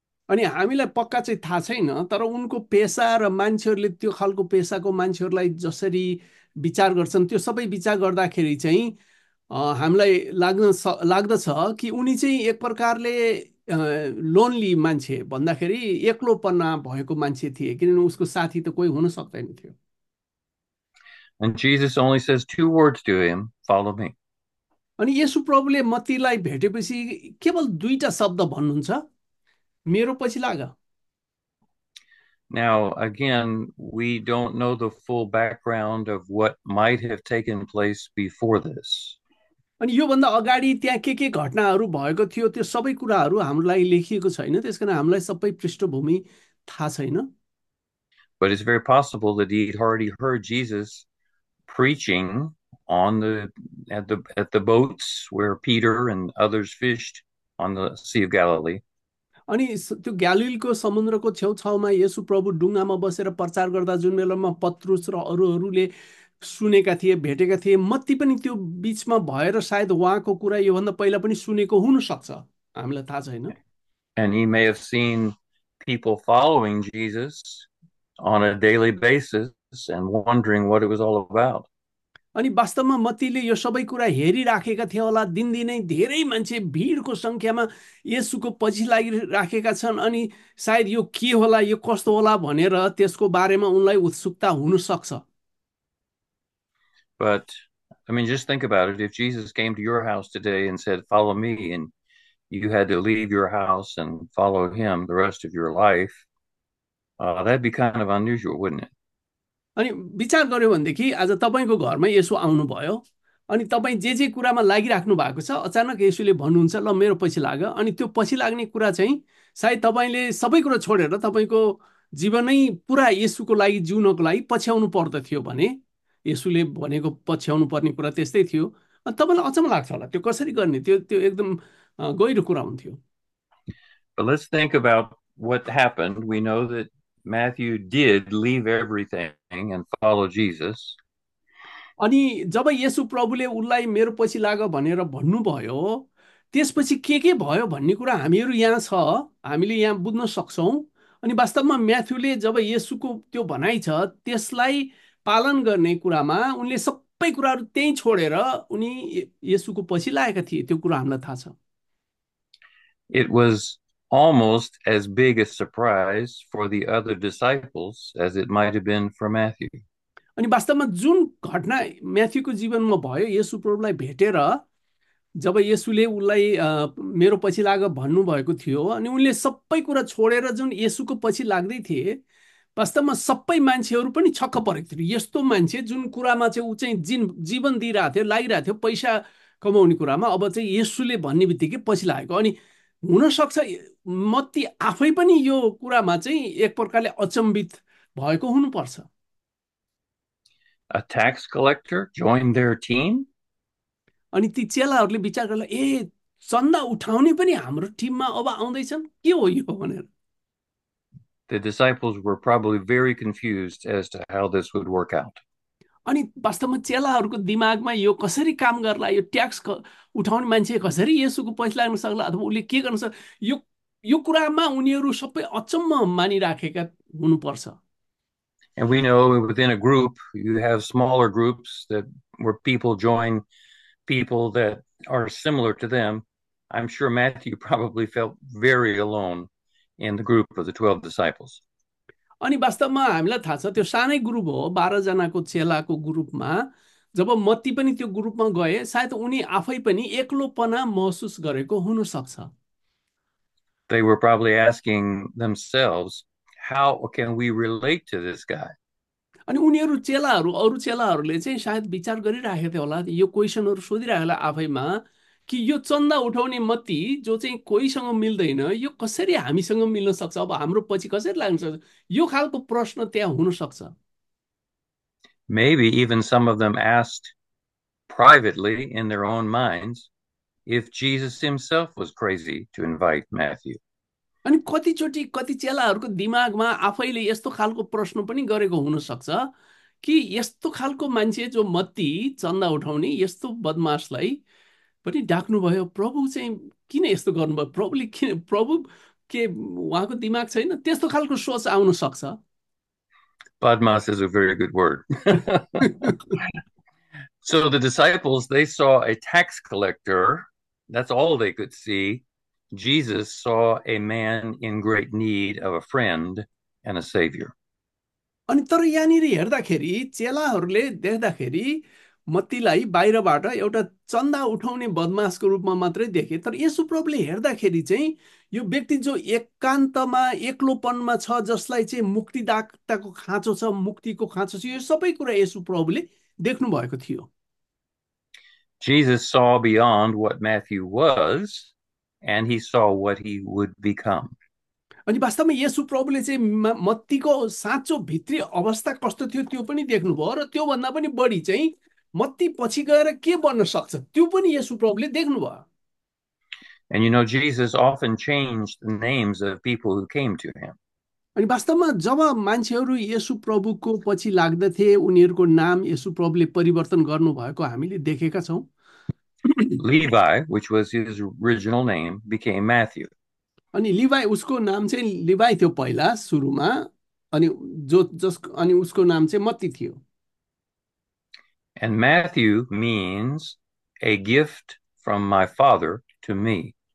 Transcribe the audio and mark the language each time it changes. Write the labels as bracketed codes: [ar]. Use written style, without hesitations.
[ne] अनि हामीलाई पक्का चाहिँ थाहा छैन, तर उनको पेसा र मान्छेहरूले त्यो खालको पेसाको मान्छेहरूलाई जसरी विचार गर्छन्, त्यो सबै विचार गर्दाखेरि चाहिँ हामीलाई लाग्दछ कि उनी चाहिँ एक प्रकारले लोनली मान्छे, भन्दाखेरि एक्लोपना भएको मान्छे थिए, किनभने उसको साथी त कोही हुन सक्दैन थियो। [en] And Jesus only says two words to him, follow me. [ne] अनि येशु प्रभुले मत्तीलाई भेटेपछि केवल दुईटा शब्द भन्नुहुन्छ, मेरो पछि लाग। [en] Now, again, we don't know the full background of what might have taken place before this. [ne] अनि योभन्दा अगाडि त्यहाँ के घटनाहरू भएको थियो त्यो सबै कुराहरू हामीलाई लेखिएको छैन, त्यस कारण हामीलाई सबै पृष्ठभूमि थाहा छैन। [en] But it's very possible that he had already heard Jesus preaching on at the boats where Peter and others fished on the Sea of Galilee. [ne] अनि त्यो ग्यालिलको समुद्रको छेउछाउमा येशु प्रभु डुङ्गामा बसेर प्रचार गर्दा जुन बेलामा पत्रुस र अरूहरूले सुनेका थिए, भेटेका थिए, मत्ती पनि त्यो बिचमा भएर सायद उहाँको कुरा योभन्दा पहिला पनि सुनेको हुनसक्छ, हामीलाई थाहा छैन। [en] And he may have seen people following Jesus on a daily basis and wondering what it was all about. [ne] अनि वास्तवमा मत्तीले यो सबै कुरा हेरिराखेका थिए होला, दिनदिनै धेरै मान्छे भिडको संख्यामा येशूको पछि लागिराखेका छन्, अनि सायद यो के होला, यो कस्तो होला भनेर त्यसको बारेमा उनलाई उत्सुकता हुनसक्छ। [en] But I mean, just think about it. If Jesus came to your house today and said, follow me, and you had to leave your house and follow him the rest of your life, that'd be kind of unusual, wouldn't it? [ne] अनि विचार गर्यो भनेदेखि आज तपाईँको घरमा येशु आउनुभयो, अनि तपाईँ जे जे कुरामा लागिराख्नु भएको छ, अचानक येशुले भन्नुहुन्छ ल मेरो पछि लाग, अनि त्यो पछि लाग्ने कुरा चाहिँ सायद तपाईँले सबै कुरा छोडेर तपाईँको जीवनै पुरा येशुको लागि जिउनको लागि पछ्याउनु पर्दथ्यो भने, येशुले भनेको पछ्याउनु पर्ने कुरा त्यस्तै थियो, अनि तपाईँलाई अचम्म लाग्छ होला त्यो कसरी गर्ने, त्यो एकदम गहिरो कुरा हुन्थ्यो। [en] But let's think about what happened. We know that Matthew did leave everything and follow Jesus. [ne] अनि जब येशु प्रभुले उनलाई मेरो पछि लाग भनेर भन्नुभयो, त्यसपछि के भयो भन्ने कुरा हामीहरू यहाँ छ, हामीले यहाँ बुझ्न सक्छौँ। अनि वास्तवमा म्याथ्यूले जब येशुको त्यो भनाइ छ त्यसलाई पालन गर्ने कुरामा उनले सबै कुराहरू त्यहीँ छोडेर उनी येशुको पछि लागेका थिए, त्यो कुरा हामीलाई थाहा छ। [en] It was almost as big a surprise for the other disciples as it might have been for Matthew. [ne] अनि वास्तवमा जुन घटना म्याथ्यूको जीवनमा भयो, येशु प्रभुलाई भेटेर जब येशुले उनलाई मेरो पछि लाग भन्नुभएको थियो, अनि उनले सबै कुरा छोडेर जुन येशुको पछि लाग्दै थिए, वास्तवमा सबै मान्छेहरू पनि छक्क परेको थियो। यस्तो मान्छे जुन कुरामा चाहिँ ऊ चाहिँ जीवन दिइरहेको थियो, लागिरहेको थियो पैसा कमाउने कुरामा, अब चाहिँ येशुले भन्ने बित्तिकै पछि लागेको। अनि हुनसक्छ मत्ती आफै पनि यो कुरामा चाहिँ एक प्रकारले अचम्भित भएको हुनुपर्छ। [en] A tax collector joined their team. [ne] अनि ती चेलाहरूले विचार गर्ला, ए चन्दा उठाउने पनि हाम्रो टिममा अब आउँदैछन्, के हो यो भनेर। [en] The disciples were probably very confused as to how this would work out. [ne] अनि वास्तवमा चेलाहरूको दिमागमा यो कसरी काम गर्ला, यो ट्याक्स उठाउने मान्छे कसरी येसुको पैसा लाग्न सक्ला, अथवा उसले के गर्न सक्ला, यो कुरामा उनीहरू सबै अचम्म मानिराखेका हुनुपर्छ। [en] And we know within a group, you have smaller groups that where people join people that are similar to them. I'm sure Matthew probably felt very alone in the group of the 12 disciples. [ne] अनि वास्तवमा हामीलाई थाहा छ त्यो सानै group हो, 12 जनाको चेलाको ग्रुपमा जब मत्ती पनि त्यो ग्रुपमा गए, सायद उनी आफै पनि एक्लोपना महसुस गरेको हुनसक्छ। [en] They were probably asking themselves, how can we relate to this guy? [ne] अनि उनीहरू चेलाहरू अरू चेलाहरूले चाहिँ सायद विचार गरिरहेको थियो होला, यो क्वेसनहरू सोधिरहेको होला आफैमा कि यो चन्दा उठाउने मत्ती जो चाहिँ कोहीसँग मिल्दैन, यो कसरी हामीसँग मिल्न सक्छ, अब हाम्रो पछि कसरी लाग्न सक्छ, यो खालको प्रश्न त्यहाँ हुनसक्छ। [en] Maybe even some of them asked privately in their own minds if Jesus himself was crazy to invite Matthew. [ne] अनि कतिचोटि कति चेलाहरूको दिमागमा आफैले यस्तो खालको प्रश्न पनि गरेको हुनसक्छ कि यस्तो खालको मान्छे जो मत्ती चन्दा उठाउने यस्तो बदमासलाई पनि डाक्नु भयो, प्रभु चाहिँ किन यस्तो गर्नुभयो, प्रभुले किन, प्रभु के उहाँको दिमाग छैन, त्यस्तो खालको सोच आउन सक्छ। [en] Badmas is a very good word. So the disciples, they saw a tax collector. That's all they could see. Jesus saw a man in great need of a friend and a savior. [ne] अनि तर यहाँनिर हेर्दाखेरि चेलाहरूले देख्दाखेरि मत्तीलाई बाहिरबाट एउटा चन्दा उठाउने बदमासको रूपमा मात्रै देखे, तर येशूप्रभुले हेर्दाखेरि चाहिँ यो व्यक्ति जो एकान्तमा एक्लोपनमा छ, जसलाई चाहिँ मुक्तिदाताको खाँचो छ, मुक्तिको खाँचो छ, यो सबै कुरा येशूप्रभुले देख्नु भएको थियो। [en] Jesus saw beyond what Matthew was, and he saw what he would become. [ne] अनि वास्तवमा येशू प्रभुले चाहिँ मत्तीको साँचो भित्री अवस्था कस्तो थियो त्यो पनि देख्नुभयो, र त्योभन्दा पनि बढी चाहिँ मत्ती पछि गएर के बन्न सक्छ त्यो पनि येशू प्रभुले देख्नुभयो। [en] And you know, Jesus often changed the names of people who came to him. [ne] अनि वास्तवमा जब मान्छेहरू येशू प्रभुको पछि लाग्दथे, उनीहरूको नाम येशू प्रभुले परिवर्तन गर्नुभएको हामीले देखेका छौँ। [en] Levi, which was his original name, became Matthew. [ne] अनि लिवाई, उसको नाम चाहिँ लिवाई थियो पहिला सुरुमा, अनि जो जस अनि उसको नाम चाहिँ मत्ती थियो। [en] And Matthew means a gift from my father to me.